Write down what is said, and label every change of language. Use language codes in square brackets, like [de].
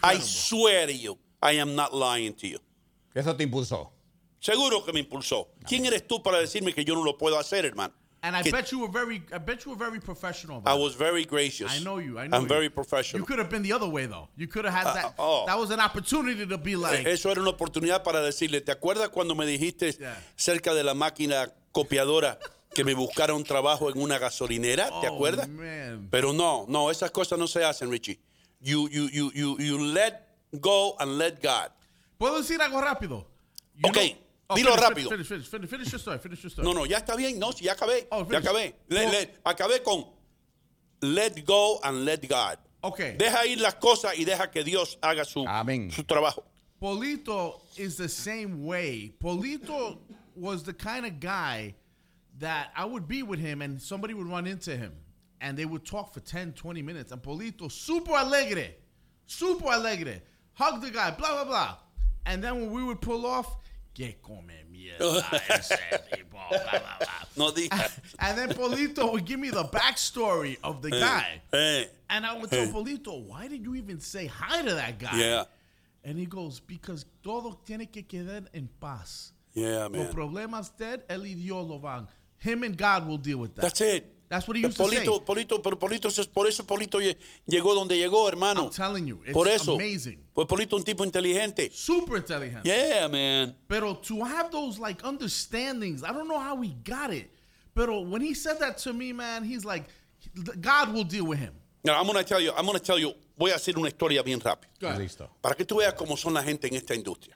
[en] I swear to you, I am not lying to you. [es] Eso te impulsó. Seguro que me impulsó. ¿Quién eres tú para decirme que yo no lo puedo hacer, hermano? [en] And I bet you were very professional. About I was very gracious. I know you. I'm very professional. You could have been the other way, though. You could have had that. That was an opportunity to be like. [es] Eso era una oportunidad para decirle. ¿Te acuerdas cuando me dijiste cerca de la máquina copiadora que me buscara un trabajo en una gasolinera? ¿Te acuerdas? [en] Man. [es] Pero no, esas cosas no se hacen, Richie. [en] You let go and let God. [es] ¿Puedo decir algo rápido? Dilo rápido. [en] Finish your story. [es] No, ya está bien. No, ya acabé. Ya acabé. Acabé con [en] let go and let God. Okay. [es] Deja ir las cosas y deja que Dios haga su trabajo. [en] Polito is the same way. Polito was the kind of guy that I would be with him and somebody would run into him and they would talk for 10, 20 minutes. [es] And Polito, super alegre. [en] Hug the guy, blah, blah, blah. And then when we would pull off, [es] que come mierda ese tipo, [en] blah, blah, blah. [es] No digas. [en] And then Polito would give me the backstory of the guy. And I would tell Polito, why did you even say hi to that guy? Yeah. And he goes, because [es] todo tiene que quedar en paz. [en] Yeah, man. [es] Los problemas usted, él y Dios lo van. [en] Him and God will deal with that. That's it. That's what he used to say. [es] Polito, por eso Polito llegó donde llegó, hermano. [en] I'm telling you, it's [es] por eso, [en] amazing. [es] Pues Polito un tipo inteligente. Super inteligente. [en] Yeah, man. Pero to have those like understandings, I don't know how he got it. Pero when he said that to me, man, he's like, God will deal with him. Now, I'm going to tell you, [es] voy a hacer una historia bien rápido. [en] Go ahead. Listo. [es] Para que tú veas cómo son la gente en esta industria.